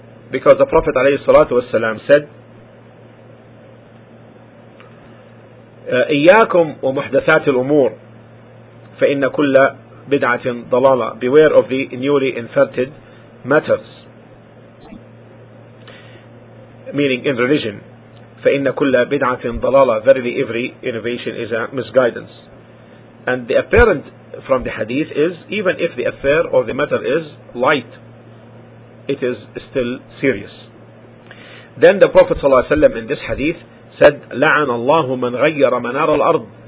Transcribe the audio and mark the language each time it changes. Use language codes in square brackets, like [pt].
[en] Because the Prophet ﷺ said, [ar] إِيَّاكُمْ وَمُحْدَثَاتِ الْأُمُورِ فَإِنَّ كُلَّ بِدْعَةٍ ضَلَالًا. [en] Beware of the newly inverted matters. Meaning in religion, [ar] فَإِنَّ كُلَّ بِدْعَةٍ ضَلَالًا. [en] Verily every innovation is a misguidance. And the apparent from the hadith is, even if the affair or the matter is light, it is still serious. Then the Prophet ﷺ in this hadith said, [ar] لَعَنَ اللَّهُ مَنْ غَيَّرَ مَنَارَ الْأَرْضِ.